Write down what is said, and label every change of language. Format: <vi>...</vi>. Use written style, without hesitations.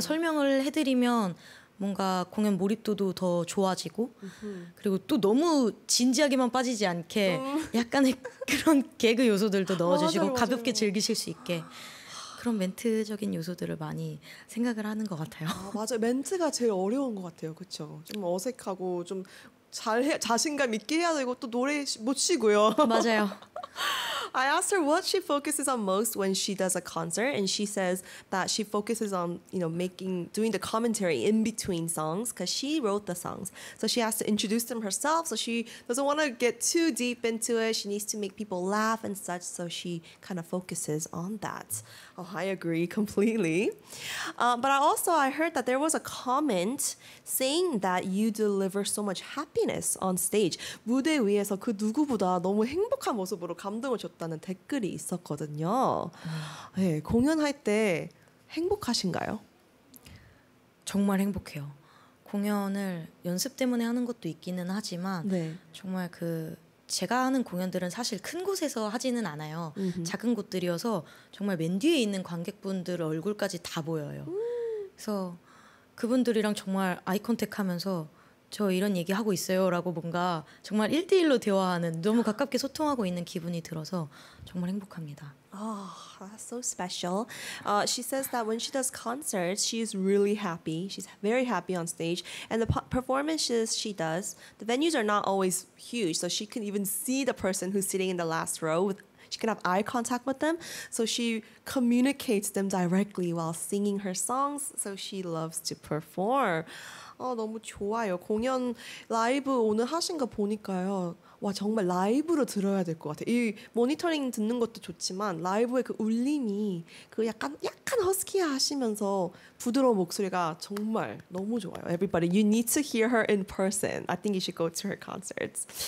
<ko>설명을 해드리면 뭔가 공연 몰입도도 더 좋아지고, 그리고 또 너무 진지하게만 빠지지 않게 약간의 그런 개그 요소들도 넣어주시고 가볍게 맞아요, 맞아요. 즐기실 수 있게 그런 멘트적인 요소들을 많이 생각을 하는 것 같아요. 아, 맞아요. 멘트가 제일 어려운 것 같아요. 그쵸? 좀 어색하고, 좀 자신감 있게 해야 되고, 또 노래 못 치고요. 맞아요.</ko> <en>I asked her what she focuses on most when she does a concert, and she says that she focuses on, you know, doing the commentary in between songs because she wrote the songs. So she has to introduce them herself. So she doesn't want to get too deep into it. She needs to make people laugh and such. So she kind of focuses on that. Oh, I agree completely. But I heard that there was a comment saying that you deliver so much happiness on stage.</en> <ko>무대 위에서 그 누구보다 너무 행복한 모습으로 감동을 줬다는 댓글이 있었거든요. 네, 공연할 때 행복하신가요? 정말 행복해요. 공연을 연습 때문에 하는 것도 있기는 하지만 네. 정말 제가 하는 공연들은 사실 큰 곳에서 하지는 않아요. 작은 곳들이어서 정말 맨 뒤에 있는 관객분들 얼굴까지 다 보여요. 그래서 그분들이랑 정말 아이컨택 하면서 저 이런 얘기 하고 있어요라고 뭔가 정말 1대1로 대화하는 너무 가깝게 소통하고 있는 기분이 들어서 정말 행복합니다.</ko> <en>That's so special. She says that when she does concerts, she's really happy. She's very happy on stage. And the performances she does, the venues are not always huge, so she can even see the person who's sitting in the last row with. She can have eye contact with them, so she communicates them directly while singing her songs. So she loves to perform.</en> <ko>아, 너무 좋아요. 공연 라이브 오늘 하신 거 보니까요. 와, 정말 라이브로 들어야 될것 같아. 이 모니터링 듣는 것도 좋지만 라이브의 그 울림이 그 약간 허스키 하시면서 부드러운 목소리가 정말 너무 좋아요.</ko> <en>Everybody, you need to hear her in person. I think you should go to her concerts.</en>